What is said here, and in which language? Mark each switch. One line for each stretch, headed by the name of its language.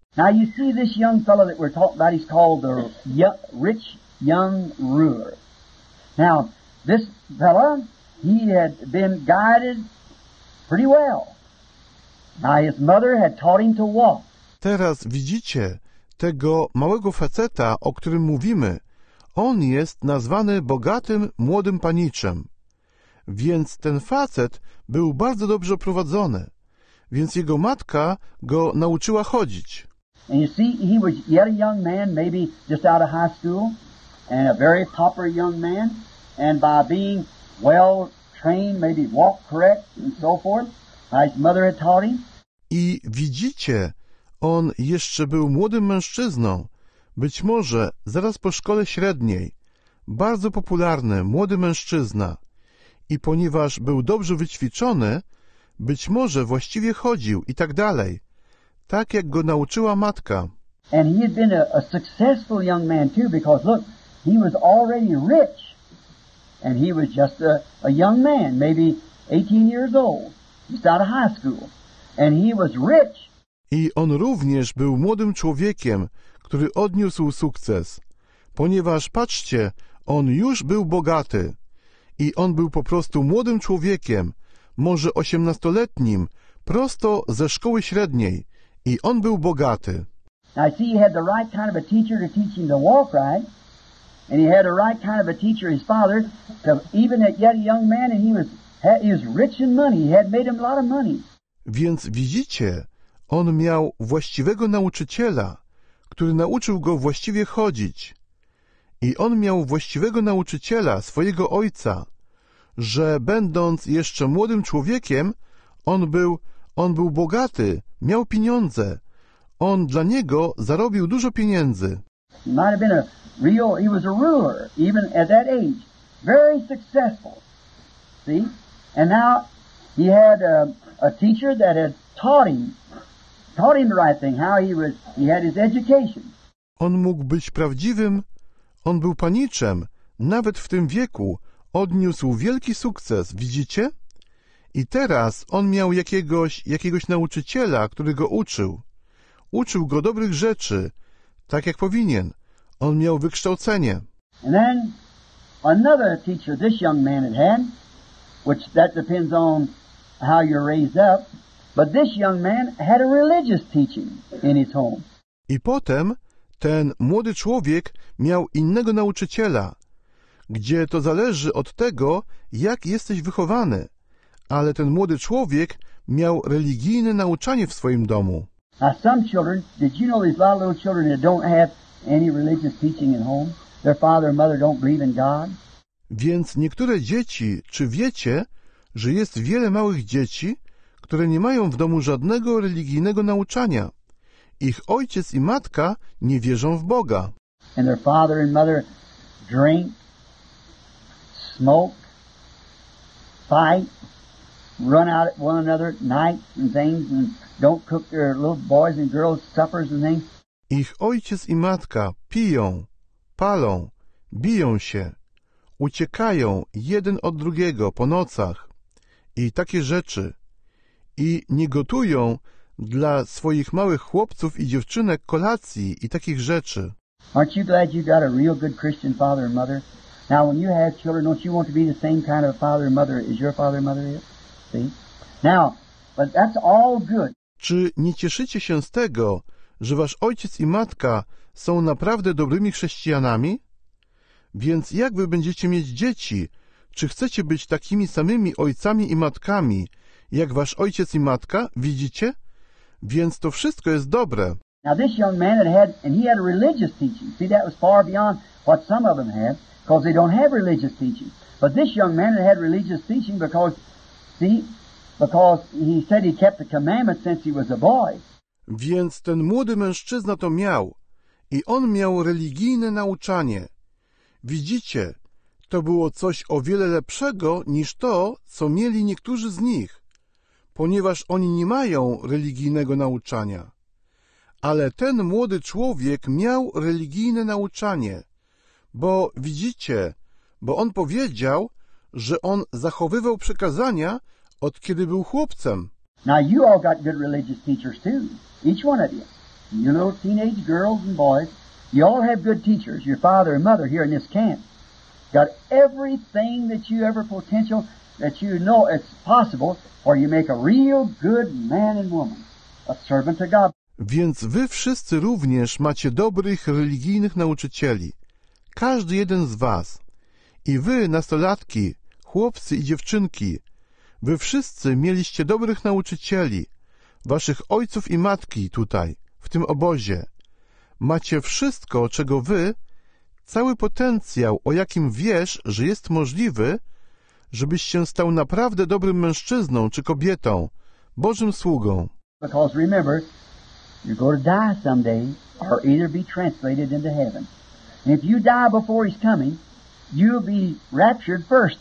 English: Now you see this young fellow that we're talking about, he's called the rich young ruler. Now, this fellow, he had been guided pretty well. Now his mother had taught him to walk.
Polish: Teraz widzicie tego małego faceta, o którym mówimy. On jest nazwany bogatym młodym paniczem. Więc ten facet był bardzo dobrze prowadzony, więc jego matka go nauczyła chodzić.
English: And you see, he was yet a young man, maybe just out of high school, and a very proper young man, and by being well trained, maybe walk correct and so forth, his mother had taught him.
Polish: I widzicie, on jeszcze był młodym mężczyzną, być może zaraz po szkole średniej, bardzo popularny młody mężczyzna. I ponieważ był dobrze wyćwiczony, być może właściwie chodził i tak dalej, tak jak go nauczyła matka.
English: And he had been a successful young man too, because look, he was already rich, and he was just a young man, maybe 18 years old, just out of high school, and he was rich.
Polish: I on również był młodym człowiekiem, który odniósł sukces, ponieważ patrzcie, on już był bogaty. I on był po prostu młodym człowiekiem, może 18-letnim, prosto ze szkoły średniej. I on był bogaty.
English: I see he had the right kind of a teacher to teach him to walk right. And he had the right kind of a teacher, his father, to even at yet a young man, and he was rich in money. He had made him a lot of money.
Polish: Więc widzicie, on miał właściwego nauczyciela, który nauczył go właściwie chodzić. I on miał właściwego nauczyciela, swojego ojca, że będąc jeszcze młodym człowiekiem, on był bogaty, miał pieniądze. On dla niego zarobił dużo pieniędzy.
English: Might have been a real, he was a ruler, even at that age. Very successful. See? And now he had a teacher that had taught him the right thing, how he had his education.
Polish: On mógł być prawdziwym. On był paniczem, nawet w tym wieku odniósł wielki sukces, widzicie? I teraz on miał jakiegoś nauczyciela, który go uczył. Uczył go dobrych rzeczy, tak jak powinien. On miał wykształcenie.
English: And then another teacher, this young man at hand, which that depends on how you're raised up, but this young man had a religious teaching in his home.
Polish: I potem ten młody człowiek miał innego nauczyciela, gdzie to zależy od tego, jak jesteś wychowany, ale ten młody człowiek miał religijne nauczanie w swoim domu.
English: Now some children, did you know there's a lot of little children that don't have any religious teaching at home? Their father and mother don't believe in God?
Polish: Więc niektóre dzieci, czy wiecie, że jest wiele małych dzieci, które nie mają w domu żadnego religijnego nauczania? Ich ojciec i matka nie wierzą w Boga.
English: And their father and mother drink, smoke, fight, run out at one another nights and things, and don't cook their little boys and girls suppers and things.
Polish: Ich ojciec i matka piją, palą, biją się, uciekają jeden od drugiego po nocach i takie rzeczy. I nie gotują dla swoich małych chłopców i dziewczynek kolacji i takich rzeczy.
English: Aren't you glad you got a real good Christian father and mother? Now when you have children, don't you want to be the same kind of father and mother as your father and mother is? See? Now, but that's all good.
Polish: Czy nie cieszycie się z tego, że wasz ojciec i matka są naprawdę dobrymi chrześcijanami? Więc jak wy będziecie mieć dzieci? Czy chcecie być takimi samymi ojcami i matkami, jak wasz ojciec i matka? Widzicie? Więc to wszystko jest dobre.
English: Now this young man had a religious teaching. See, that was far beyond what some of them had, because they don't have religious teaching. But this young man had religious teaching because he said he kept the commandments since he was a boy.
Polish: Więc ten młody mężczyzna to miał i on miał religijne nauczanie. Widzicie, to było coś o wiele lepszego niż to, co mieli niektórzy z nich. Ponieważ oni nie mają religijnego nauczania. Ale ten młody człowiek miał religijne nauczanie. Bo widzicie, bo on powiedział, że on zachowywał przekazania, od kiedy był chłopcem.
English: Now you all got good religious teachers too. Each one of you. You little teenage girls and boys. You all have good teachers. Your father and mother here in this camp. Got everything that you ever potential that you know it's possible, or you make a real good man and woman, a servant to God.
Polish: Więc wy wszyscy również macie dobrych religijnych nauczycieli. Każdy jeden z was. I wy, nastolatki, chłopcy i dziewczynki, wy wszyscy mieliście dobrych nauczycieli, waszych ojców i matki tutaj, w tym obozie. Macie wszystko, czego wy, cały potencjał, o jakim wiesz, że jest możliwy, żebyś się stał naprawdę dobrym mężczyzną czy kobietą, Bożym sługą.
English: Because remember, you're going to die someday or either be translated into heaven. And if you die before he's coming, you'll be raptured first.